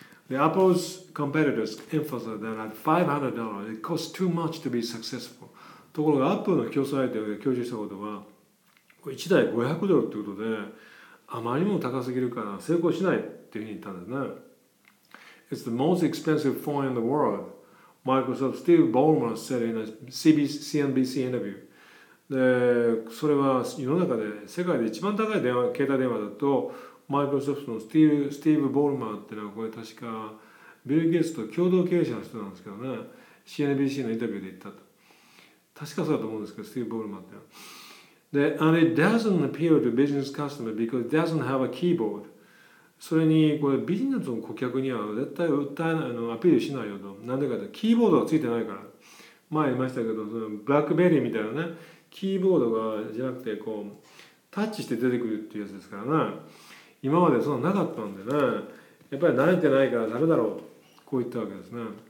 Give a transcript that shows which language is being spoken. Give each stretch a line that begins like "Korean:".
English: The Apple's competitors emphasized that at $500 it costs too much to be successful.
Japanese: ところが Apple の競争相手が強調したことは、1台500ドルということで、あまりにも高すぎるから成功しないというふうに言ったんですね。
English: It's the most expensive phone in the world, Microsoft Steve Ballmer said in a CNBC interview.
Japanese: で、それは世の中で世界で一番高い電話、携帯電話だと、マイクロソフトのスティーブ・ボルマーっていうのは、これ確かビル・ゲイツと共同経営者の人なんですけどね、 CNBC のインタビューで言ったと。確かそうだと思うんですけど、スティーブ・ボルマーってのは。
English: で、 And it doesn't appeal to business customer because it doesn't have a keyboard.
Japanese: それにこれビジネスの顧客には絶対訴えない、アピールしないよと。なんでかというとキーボードがついてないから。前言いましたけど、そのブラックベリーみたいなね、キーボードがじゃなくてこうタッチして出てくるっていうやつですからね。今までそんななかったんでね、やっぱり慣れてないからダメだろうと、こう言ったわけですね。